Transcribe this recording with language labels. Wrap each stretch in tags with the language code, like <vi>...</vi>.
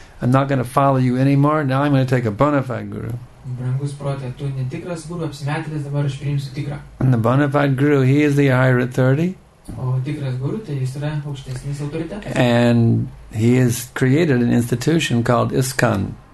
<en>I'm not going to follow you anymore. Now I'm going to take a bona fide guru.</en> <lt>Brangus protė, tu netikras guru, apsimetėlis, dabar aš priimsiu tikrą.</lt> <en>And the bona fide guru, he is the higher authority.</en> <lt>O tikras guru, tai jis yra aukštesnis autoritetas.</lt> <en>And he has created an institution called ISKCON.</en>